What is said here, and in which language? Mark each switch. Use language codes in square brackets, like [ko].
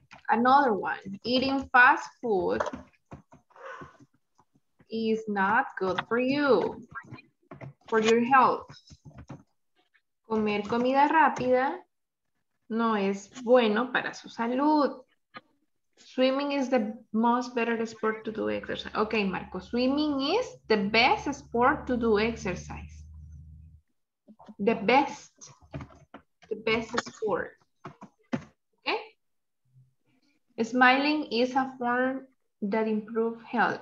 [en] Another one, eating fast food is not good for you, for your health. [es] Comer comida rápida no es bueno para su salud. [en] Swimming is the most better sport to do exercise. Okay, Marco, swimming is the best sport to do exercise. The best sport. Smiling is a form that improves health.